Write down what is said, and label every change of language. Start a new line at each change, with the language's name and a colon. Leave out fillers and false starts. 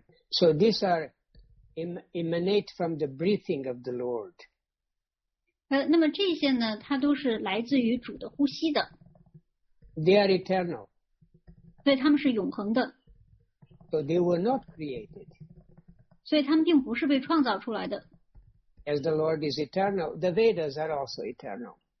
English: So these are emanate from the breathing of the Lord.
Chinese: 那么这些呢，它都是来自于主的呼吸的。
English: They are eternal.
Chinese: 对，他们是永恒的。
English: So they were not created.
Chinese: 所以他们并不是被创造出来的。
English: As the Lord is eternal, the Vedas are also eternal.